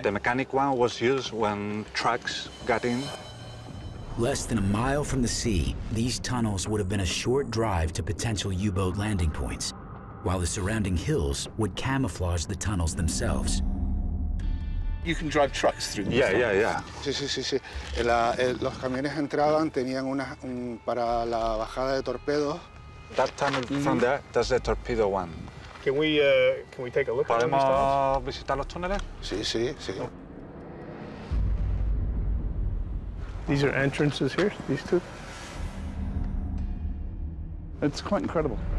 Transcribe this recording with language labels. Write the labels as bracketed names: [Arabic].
[English] The mechanic one was used when trucks got in. Less than a mile from the sea, these tunnels would have been a short drive to potential U-boat landing points, while the surrounding hills would camouflage the tunnels themselves. You can drive trucks through these tunnels. Yeah, yeah, yeah. Sí. [Spanish] Los camiones entraban, tenían una para la bajada de torpedos. [English] That tunnel from there, that's the torpedo one. Can we take a look at [Spanish] them? ¿Podemos visitar los túneles? Sí. [English] These are entrances here, these two? It's quite incredible.